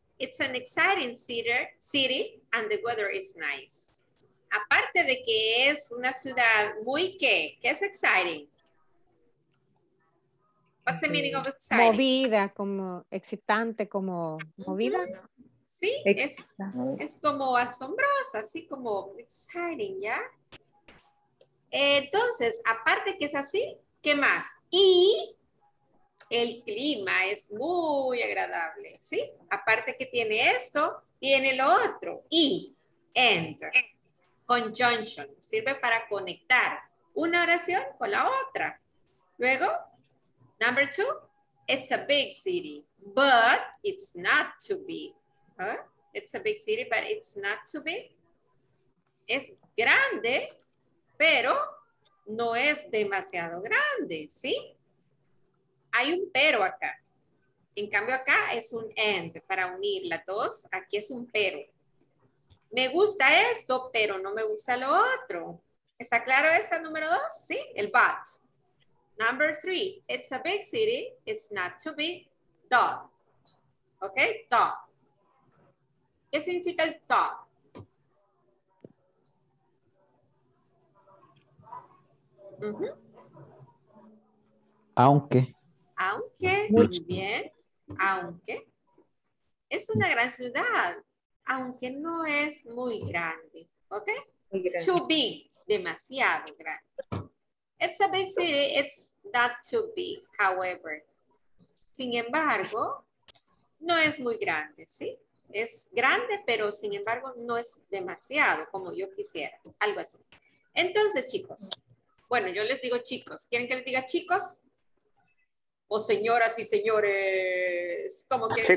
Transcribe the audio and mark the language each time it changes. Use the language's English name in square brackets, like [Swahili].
[English] It's an exciting city and the weather is nice. [Spanish] Aparte de que es una ciudad muy qué, ¿qué es exciting? [English] What's the meaning of exciting? [Spanish] Movida, como excitante, como movida. Mm-hmm. Sí, es como asombrosa, así como exciting, ¿ya? Entonces, aparte que es así, ¿qué más? Y el clima es muy agradable, ¿sí? Aparte que tiene esto, tiene lo otro. Y, and, conjunction, sirve para conectar una oración con la otra. [English] Luego, number two, it's a big city, but it's not too big. It's a big city, but it's not too big. [Spanish] Es grande, pero no es demasiado grande, ¿sí? Hay un pero acá. En cambio, acá es un and para unir las dos. Aquí es un pero. Me gusta esto, pero no me gusta lo otro. ¿Está claro esta número dos? Sí, el but. [English] Number three, it's a big city, it's not too big. [Spanish] Dot. Ok, dot. ¿Qué significa el top? Uh-huh. Aunque. Aunque, muy bien. Aunque. Es una gran ciudad, aunque no es muy grande. ¿Ok? Muy grande. [English] Too big, [Spanish] demasiado grande. [English] It's a big city, it's not too big, however. [Spanish] Sin embargo, no es muy grande, ¿sí? Es grande, pero sin embargo no es demasiado como yo quisiera. Algo así. Entonces, chicos. Bueno, yo les digo chicos. ¿Quieren que les diga chicos? O señoras y señores. ¿Cómo quieren